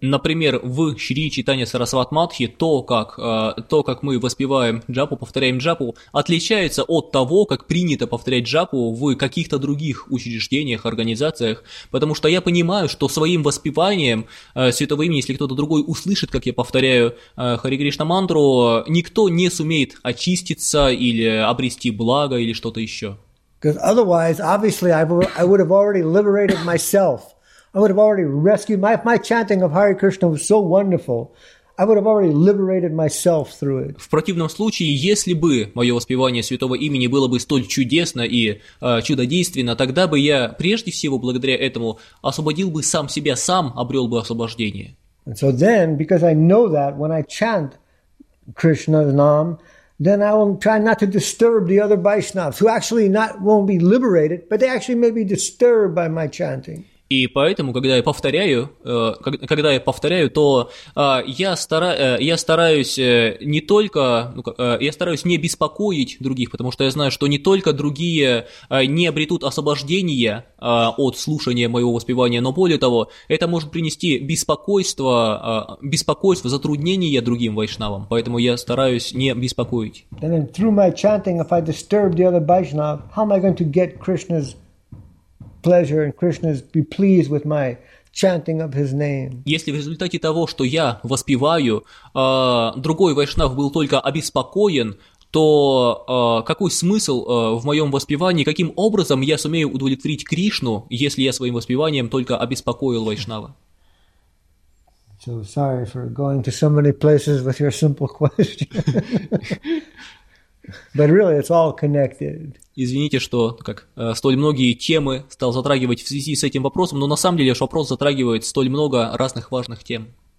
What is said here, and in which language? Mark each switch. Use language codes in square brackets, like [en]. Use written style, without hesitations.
[ru] Например, в Шри Читания Сарасват Матхи то, как мы воспеваем джапу, повторяем джапу, отличается от того, как принято повторять джапу в каких-то других учреждениях, организациях, потому что я понимаю, что своим воспеванием святого имени, если кто-то другой услышит, как я повторяю Хари Кришна мантру, никто не сумеет очиститься или обрести благо или что-то еще. [en] Because otherwise, obviously, I would have already liberated myself. I would have already rescued my, if my chanting of Hare Krishna was so wonderful, I would have already liberated myself through it. [ru] В противном случае, если бы мое воспевание святого имени было бы столь чудесно и чудодейственно, тогда бы я прежде всего благодаря этому освободил бы сам себя, сам обрел бы освобождение. [en] And so then, because I know that when I chant Krishna's name, then I will try not to disturb the other Vaishnavas, who actually won't be liberated, but they actually may be disturbed by my chanting. [ru] И поэтому, когда я повторяю, то я стараюсь не беспокоить других, потому что я знаю, что не только другие не обретут освобождение от слушания моего воспевания, но более того, это может принести беспокойство, затруднение другим вайшнавам. Поэтому я стараюсь не беспокоить. [en] And then through my chanting, if I disturb the other Vaishnav, how am I going to get Krishna's pleasure and Krishna's be pleased with my chanting of his name. [ru] Если в результате того, что я воспеваю, другой вайшнав был только обеспокоен, то какой смысл в моем воспевании, каким образом я сумею удовлетворить Кришну, если я своим воспеванием только обеспокоил вайшнава? [en] So sorry for going to so many places with your simple question. But really, it's all connected. [ru] Извините, что как столь многие темы стал затрагивать в связи с этим вопросом, но на самом деле же вопрос затрагивает столь много разных важных тем.